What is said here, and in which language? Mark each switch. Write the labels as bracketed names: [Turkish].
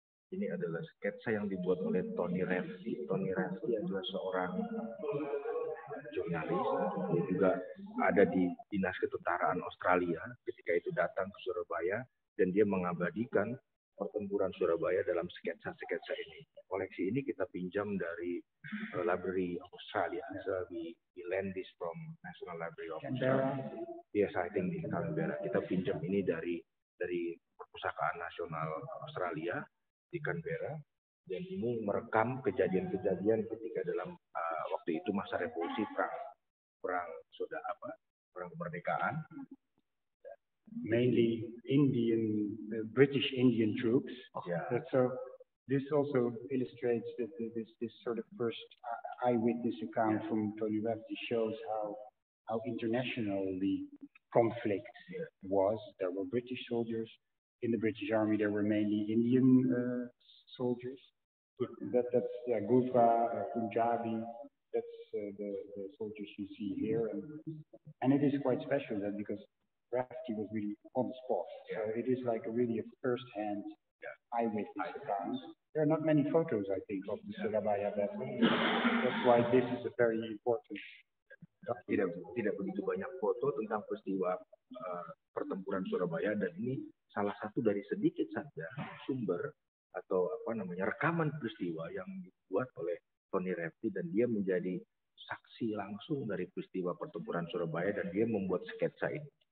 [Indonesian] Ini adalah sketsa yang dibuat oleh Tony Refti. Tony Refti adalah seorang jurnalis. Dia juga ada di Dinas Ketentaraan Australia ketika itu datang ke Surabaya. Dan dia mengabadikan pertempuran Surabaya dalam sketsa-sketsa ini. Koleksi ini kita pinjam dari Library of Australia. [English] So we lend this from National Library of Australia. Yes, I think [Indonesian] di [English] Canberra. [Indonesian] Kita pinjam ini dari Perpustakaan Nasional Australia di Canberra. Dan ini merekam kejadian-kejadian ketika dalam waktu itu masa revolusi perang kemerdekaan. [English] Mainly Indian, British Indian troops. So this also illustrates that this sort of first eyewitness account from Tony Refti shows how international the conflict was. There were British soldiers in the British Army. There were mainly Indian soldiers. That's Gurkha, Punjabi. That's the soldiers you see here, and it is quite special that because Refti was really on the spot. So it is like a first-hand eyewitness account. There are not many photos, I think, of the Surabaya battle. That's why this is a very important document. [Indonesian] Tidak begitu banyak foto tentang peristiwa pertempuran Surabaya, dan ini salah satu dari sedikit saja sumber atau rekaman peristiwa yang dibuat oleh Tony Refti, dan dia menjadi saksi langsung dari peristiwa pertempuran Surabaya, dan dia membuat sketsa ini.